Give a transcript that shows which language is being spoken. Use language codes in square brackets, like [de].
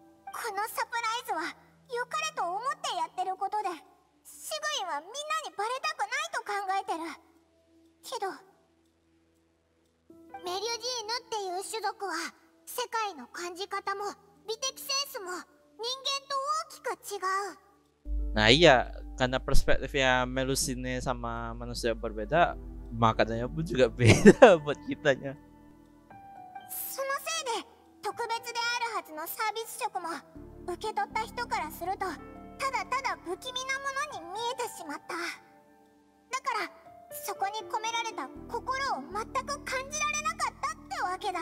[ja] Kono surprise wa yokare to omotte yatteru koto de, Shigui wa minna ni baretaku nai to kangaeteru. Kedo メリュジーヌっていう種族は世界の感じ方も美的センスも人間と大きく違う。 [id] Nah iya, karena perspektifnya Melusine sama manusia berbeda, makanannya pun juga beda buat kitanya. [ja] そのせいで特別であるはずのサービス食も受け取った人からするとただただ不気味なものに見えてしまった。だからそこに込められた心を全く感じられなかったってわけだ。